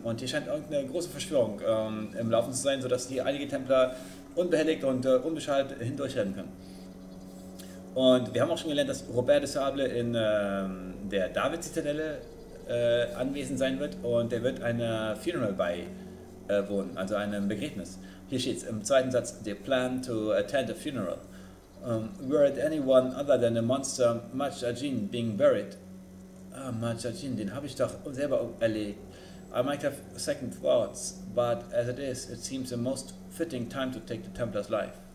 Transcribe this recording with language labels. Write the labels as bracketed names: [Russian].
[German] Und hier scheint irgendeine große Verschwörung im Laufen zu sein, sodass die einige Templer unbehelligt und unbeschadet hindurchrennen können. Und wir haben auch schon gelernt, dass Robert de Sable in der David-Zitadelle anwesend sein wird. Und er wird eine Funeral bei wohnen, also einem Begräbnis. Hier steht es im zweiten Satz, [English] they plan to attend a funeral. Were it anyone other than a monster Majajin being buried? [German] Ah, Majajin, den habe ich doch selber erlegt. [English] I might have second thoughts, but as it is, it seems the most fitting time to take the Templar's life.